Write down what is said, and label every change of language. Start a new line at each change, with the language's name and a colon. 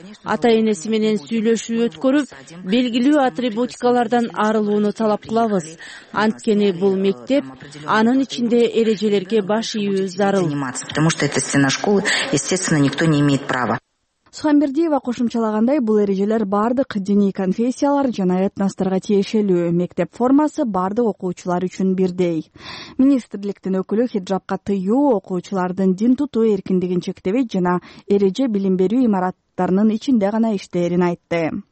Kyrgyz: Ата-энеси менен сүйлөшүү өткөрүп, белгилүү атрибутикалардан арылууну талап кылабыз. Анткени бул мектеп, анын ичинде эрежелерге баш ийүү зарыл.
Russian: Потому что это стена школы, естественно, никто не имеет права.
Kyrgyz: Сухамбердиева кошумчалагандай, бул эрежелер бардык диний конфессиялар жана этностарга тиешелүү. Мектеп формасы бардык окуучулар үчүн бирдей. Министрликтин өкүлү хиджабка тыюу окуучулардын дин тутуу эркиндигин чектебейт жана эреже билим берүү имараттарынын ичинде гана иштээрин айтты.